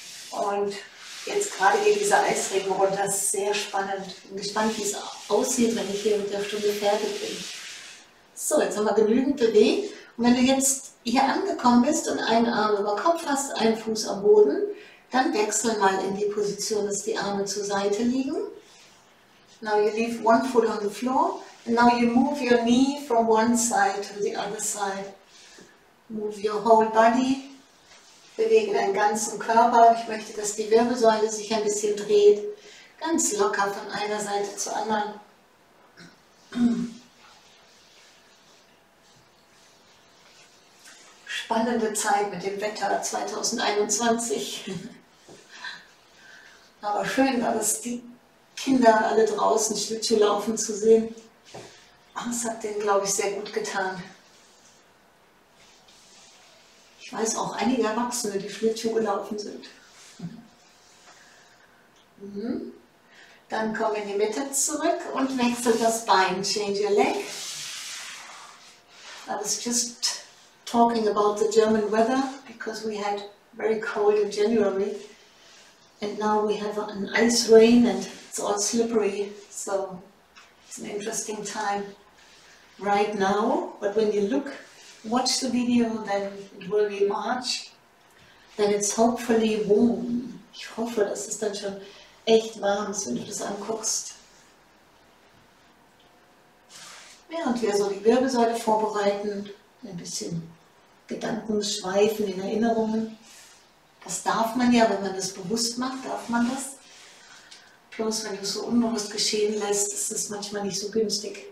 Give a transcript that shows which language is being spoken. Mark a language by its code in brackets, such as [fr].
[de] Und jetzt gerade geht dieser Eisregen runter. Das ist sehr spannend. Ich bin gespannt, wie es aussieht, wenn ich hier mit der Stunde fertig bin. So, jetzt haben wir genügend bewegt. Und wenn du jetzt hier angekommen bist und einen Arm über Kopf hast, einen Fuß am Boden, dann wechsel mal in die Position, dass die Arme zur Seite liegen. [en] Now you leave one foot on the floor and now you move your knee from one side to the other side. Move your whole body. [de] Bewege deinen ganzen Körper. Ich möchte, dass die Wirbelsäule sich ein bisschen dreht. Ganz locker von einer Seite zur anderen. Spannende Zeit mit dem Wetter 2021. Aber schön, dass es die Kinder alle draußen Schlittschuh laufen zu sehen. Das hat denen, glaube ich, sehr gut getan. Ich weiß auch einige Erwachsene, die Schlittschuh gelaufen sind. Dann komm in die Mitte zurück und wechsel das Bein. [en] Change your leg. I was just talking about the German weather, because we had very cold in January. And now we have an ice rain and it's all slippery, so it's an interesting time right now. But when you look, watch the video, then it will be March. Then it's hopefully warm. [de] Ich hoffe, dass es dann schon echt warm ist, wenn du das anguckst. Während wir so die Wirbelsäule vorbereiten, ein bisschen Gedanken schweifen in Erinnerungen. Das darf man ja, wenn man das bewusst macht, darf man das. Bloß wenn du es so unbewusst geschehen lässt, ist es manchmal nicht so günstig.